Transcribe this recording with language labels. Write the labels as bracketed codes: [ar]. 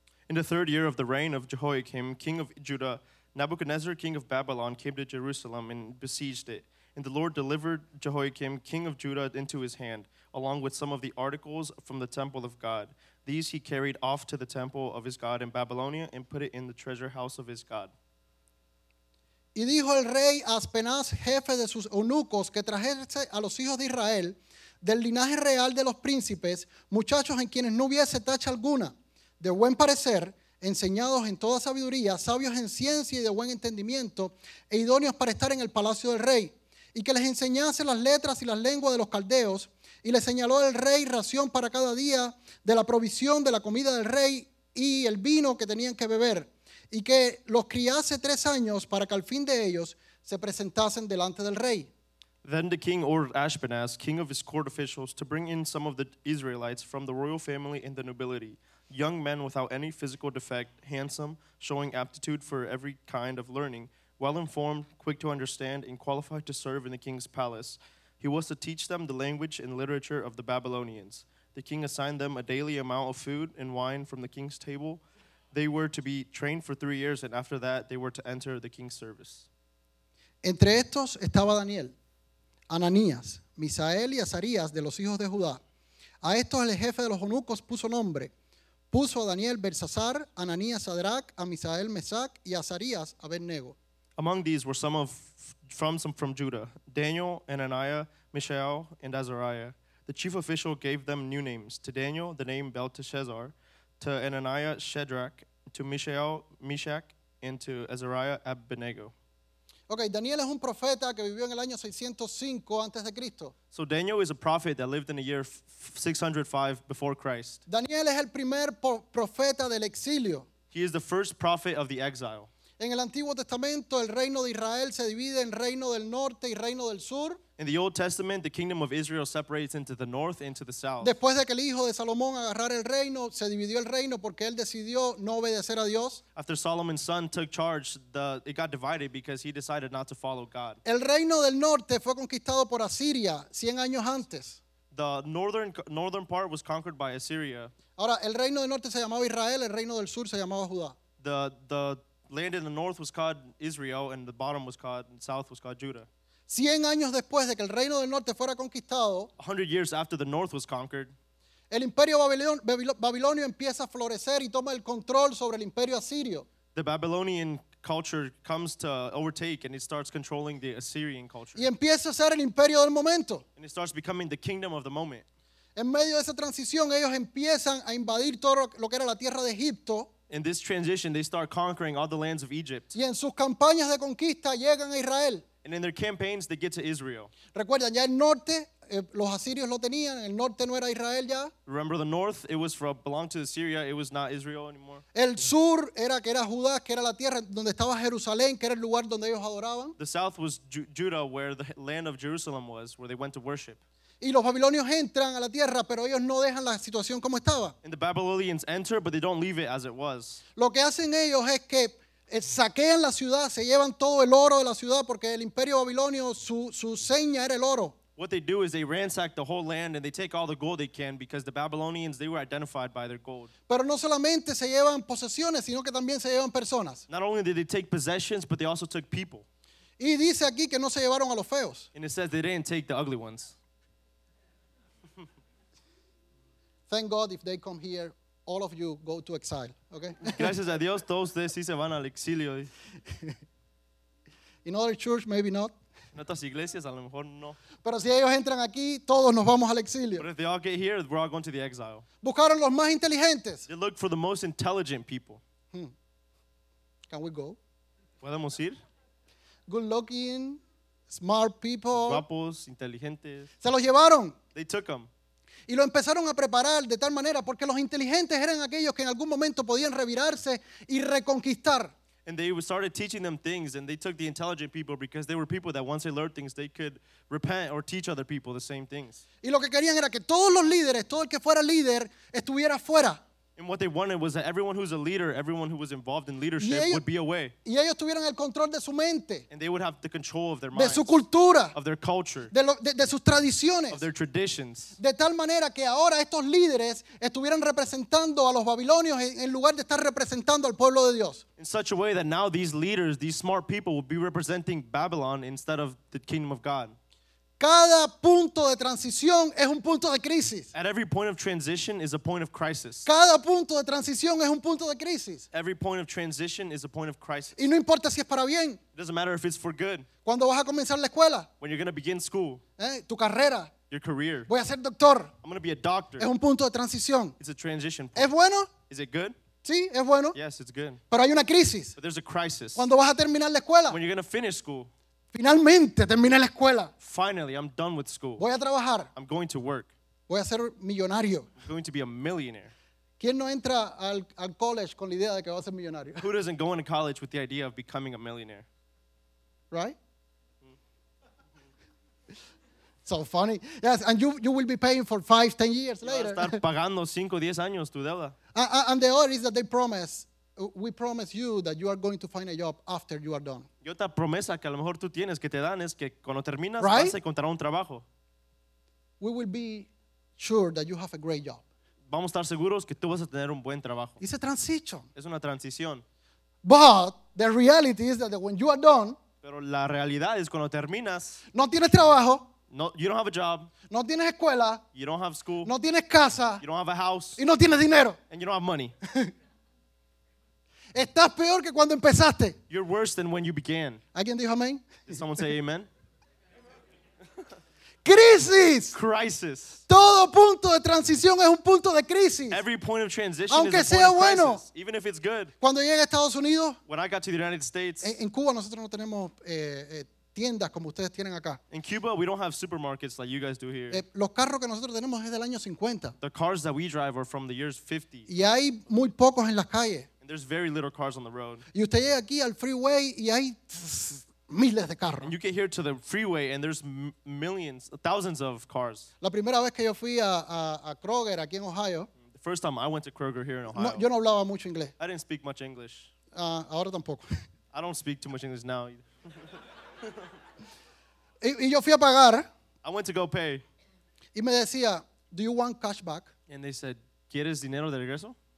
[en] In the third year of the reign of Jehoiakim, king of Judah, Nebuchadnezzar, king of Babylon, came to Jerusalem and besieged it. And the Lord delivered Jehoiakim, king of Judah, into his hand, along with some of the articles from the temple of God. These he carried off to the temple of his God in Babylonia and put it in the treasure house of his God. [es] Y dijo el rey Aspenaz, jefe de sus eunucos, que trajese a los hijos de Israel, del linaje real de los príncipes, muchachos en quienes no hubiese tacha alguna. De buen parecer, enseñados en toda sabiduría, sabios en ciencia y de buen entendimiento, e idóneos para estar en el palacio del rey, y que les enseñase las letras y las lenguas de los caldeos, y le señaló el rey ración para cada día de la provisión de la comida del rey y el vino que tenían que beber, y que los criase 3 años para que al fin de ellos se presentasen delante del rey. [en] Then the king ordered Ashpenaz, king of his court officials, to bring in some of the Israelites from the royal family and the nobility, young men without any physical defect, handsome, showing aptitude for every kind of learning, well-informed, quick to understand, and qualified to serve in the king's palace. He was to teach them the language and literature of the Babylonians. The king assigned them a daily amount of food and wine from the king's table. They were to be trained for 3 years, and after that, they were to enter the king's service. [es] Entre estos estaba Daniel, Ananías, Misael y Azarías de los hijos de Judá. A estos el jefe de los eunucos puso nombre. Puso a Daniel Belsasar, Ananías Sadrach, a Misael Mesac y a Azarías Abednego. [en] Among these were some from Judah, Daniel, Ananiah, Mishael, and Azariah. The chief official gave them new names, to Daniel the name Belteshazzar, to Ananiah Shadrach, to Mishael Meshach, and to Azariah Abednego. [es] Okay, Daniel es un profeta que vivió en el año 605 antes de Cristo. [en] So Daniel is a prophet that lived in the year 605 before Christ. [es] Daniel es el primer profeta del exilio. [en] He is the first prophet of the exile. [es] En el Antiguo Testamento, el reino de Israel se divide en reino del norte y reino del sur. [en] In the Old Testament, the kingdom of Israel separates into the north and into the south. [es] Después de que el hijo de Salomón agarrara el reino, se dividió el reino porque él decidió no obedecer a Dios. [en] After Solomon's son took charge, it got divided because he decided not to follow God. [es] El reino del norte fue conquistado por Asiria 100 años antes. [en] The northern part was conquered by Assyria. [es] Ahora, el reino del norte se llamaba Israel, el reino del sur se llamaba Judá. [en] The land in the north was called Israel, and the bottom was called, and south was called Judah. [es] 100 años después de que el reino del norte fuera conquistado, [en] 100 years after the north was conquered, [es] el imperio babilonio empieza a florecer y toma el control sobre el imperio asirio. [en] The Babylonian culture comes to overtake and it starts controlling the Assyrian culture. [es] Y empieza a ser el imperio del momento. [en] And it starts becoming the kingdom of the moment. [es] En medio de esa transición, ellos empiezan a invadir todo lo que era la tierra de Egipto. [en] In this transition, they start conquering all the lands of Egypt. [es] Y en sus campañas de conquista llegan a Israel. [en] And in their campaigns, they get to Israel. [es] Recuerda, ya el norte, los asirios lo tenían. El norte no era Israel ya. [en] Remember the north, it was from, belonged to Assyria. It was not Israel anymore. [es] El sur era que era Judá, que era la tierra donde estaba Jerusalén, que era el lugar donde ellos adoraban. [en] The south was Judah, where the land of Jerusalem was, where they went to worship. [es] Y los babilonios entran a la tierra, pero ellos no dejan la situación como estaba. [en] And the Babylonians enter, but they don't leave it as it was. [es] Lo que hacen ellos es que saquean la ciudad, se llevan todo el oro de la ciudad porque el imperio babilonio su seña era el oro. [en] What they do is they ransack the whole land and they take all the gold they can because the Babylonians, they were identified by their gold. [es] Pero no solamente se llevan posesiones, sino que también se llevan personas. [en] Not only did they take possessions, but they also took people. [es] Y dice aquí que no se llevaron a los feos. [en] And it says they didn't take the ugly ones. Thank God if they come here, all of you go to exile, okay? [es] Gracias a Dios, todos ustedes sí se van al exilio. [en] In other church, maybe not. [es] En otras iglesias, a lo mejor no. Pero si ellos entran aquí, todos nos vamos al exilio. [en] But if they all get here, we're all going to the exile. [es] Buscaron los más inteligentes. [en] They look for the most intelligent people. Can we go? [es] ¿Podemos ir? [en] Good-looking, smart people. [es] Guapos, inteligentes. Se los llevaron. [en] They took them. [es] Y lo empezaron a preparar de tal manera porque los inteligentes eran aquellos que en algún momento podían revirarse y reconquistar. [en] And they started teaching them things, and they took the intelligent people because they were people that once they learned things, they could repent or teach other people the same things. [es] Y lo que querían era que todos los líderes, todo el que fuera líder, estuviera fuera. [en] And what they wanted was that everyone who's a leader, everyone who was involved in leadership, [es] ellos, [en] would be away. [es] Y ellos tuvieran el control de su mente. [en] And they would have the control of their [es] de [en] minds. [es] De su cultura. [en] Of their culture. [es] De sus tradiciones. [en] Of their traditions. [es] De tal manera que ahora estos líderes estuvieran representando a los babilonios en lugar de estar representando al pueblo de Dios. [en] In such a way that now these leaders, these smart people, would be representing Babylon instead of the kingdom of God. [es] Cada punto de transición es un punto de crisis. At every point of transition is a point of crisis. Cada punto de transición es un punto de crisis. [en] Every point of transition is a point of crisis. [es] Y no importa si es para bien. [en] It doesn't matter if it's for good. [es] Cuando vas a comenzar la escuela. [en] When you're going to begin school. [es] Tu carrera. [en] Your career. [es] Voy a ser doctor. [en] I'm going to be a doctor. [es] Es un punto de transición. [en] It's a transition point. [es] ¿Es bueno? [en] Is it good? [es] Sí, es bueno. [en] Yes, it's good. [es] Pero hay una crisis. [en] But there's a crisis. [es] Cuando vas a terminar la escuela. [en] When you're going to finish school. [es] Finalmente terminé la escuela. [en] Finally, I'm done with school. [es] Voy a trabajar. [en] I'm going to work. [es] Voy a ser millonario. [en] I'm going to be a millionaire. [es] ¿Quién no entra al college con la idea de que va a ser millonario? [en] Who doesn't go into college with the idea of becoming a millionaire? Right? So funny. Yes, and you will be paying for 5-10 years later. [es] Vas a estar pagando 5-10 años tu deuda. [en] And the other is that they promise. We promise you that you are going to find a job after you are done. [es] Y otra promesa que a lo mejor tú tienes que te dan es que cuando terminas, right? Vas a encontrar un trabajo. [en] We will be sure that you have a great job. [es] Vamos a estar seguros que tú vas a tener un buen trabajo. [en] It's a transition. [es] Es una transición. [en] But the reality is that when you are done. [es] Pero la realidad es cuando terminas. No tienes trabajo. [en] No, you don't have a job. [es] No tienes escuela. [en] You don't have school. [es] No tienes casa. [en] You don't have a house. [es] Y no tienes dinero. [en] And you don't have money. [es] Estás peor que cuando empezaste. [en] You're worse than when you began. [es] ¿Alguien dijo amén? [en] Did someone say amen? [es] Crisis. [en] Crisis. [es] Todo punto de transición es un punto de crisis. [en] Every point of transition [es] aunque [en] is a point [es] bueno, [en] of crisis. Even if it's good. [es] Cuando llegué a Estados Unidos. [en] When I got to the United States. [es] En Cuba nosotros no tenemos tiendas como ustedes tienen acá. [en] In Cuba we don't have supermarkets like you guys do here. [es] Los carros que nosotros tenemos es del año 50. [en] The cars that we drive are from the years 50. [es] Y hay muy pocos en las calles. [en] There's very little cars on the road. [es] Y usted llega aquí al freeway y hay miles de carros. [en] And you get here to the freeway and there's millions, thousands of cars. [es] La primera vez que yo fui a Kroger aquí en Ohio. [en] The first time I went to Kroger here in Ohio. [es] No, yo no hablaba mucho inglés. [en] I didn't speak much English. [es] Ahora tampoco. [en] I don't speak too much English now. [es] Y yo fui a pagar. [en] I went to go pay. [es] Y me decía, [en] "Do you want cash back?" And they said, [es] "¿Quieres dinero de regreso?"